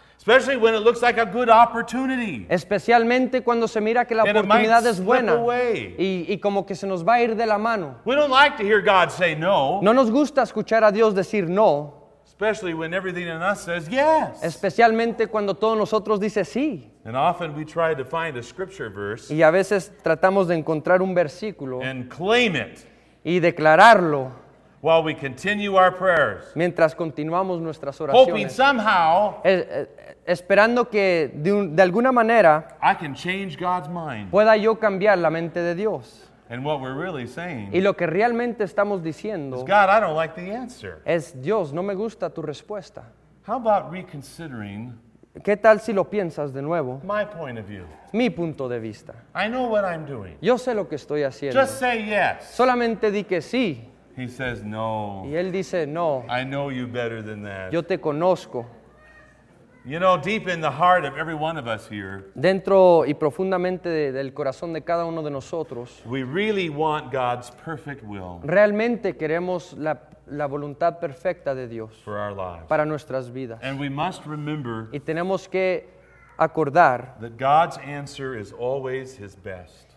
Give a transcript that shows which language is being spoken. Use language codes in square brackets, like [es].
[en] Especially when it looks like a good opportunity. [es] Especialmente cuando se mira que la oportunidad es buena. Y como que se nos va a ir de la mano. [en] We don't like to hear God say no. [es] No nos gusta escuchar a Dios decir no. [en] Especially when everything in us says yes. [es] Especialmente cuando todo nosotros dice sí. [en] And often we try to find a scripture verse. [es] Y a veces tratamos de encontrar un versículo. [en] And claim it. [es] Y declararlo. [en] While we continue our prayers. [es] Mientras continuamos nuestras oraciones. [en] Hoping somehow. [es] Esperando que de alguna manera. [en] I can change God's mind. [es] Pueda yo cambiar la mente de Dios. [en] And what we're really saying. [es] Y lo que realmente estamos diciendo. [en] Is God, I don't like the answer. [es] Es Dios, no me gusta tu respuesta. [en] How about reconsidering. [es] ¿Qué tal si lo piensas de nuevo? [en] My point of view. [es] Mi punto de vista. [en] I know what I'm doing. [es] Yo sé lo que estoy haciendo. [en] Just say yes. [es] Solamente di que sí. [en] He says no. [es] Y él dice no. [en] I know you better than that. [es] Yo te conozco. [en] You know, deep in the heart of every one of us here. [es] Dentro y profundamente del corazón de cada uno de nosotros. [en] We really want God's perfect will. [es] Realmente queremos la voluntad perfecta de Dios. [en] For our lives. [es] Para nuestras vidas. [en] And we must remember. [es] Y tenemos que acordar. [en] That God's answer is always His best.